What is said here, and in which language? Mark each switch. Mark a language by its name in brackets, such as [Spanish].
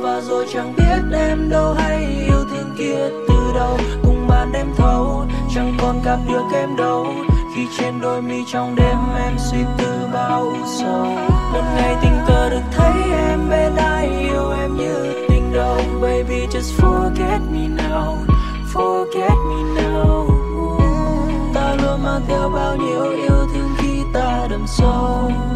[Vietnamese] Và rồi chẳng biết em đâu hay yêu thương kia từ đâu. Cùng bàn đêm thâu chẳng còn gặp được em đâu. Khi trên đôi mi trong đêm em suy tư bao sầu. Một ngày tình cờ được thấy em bên ai, yêu em như tình đầu. [English] know, baby, just forget me now, forget me now. [Vietnamese] Ta luôn mang theo bao nhiêu yêu thương khi ta đắm sâu.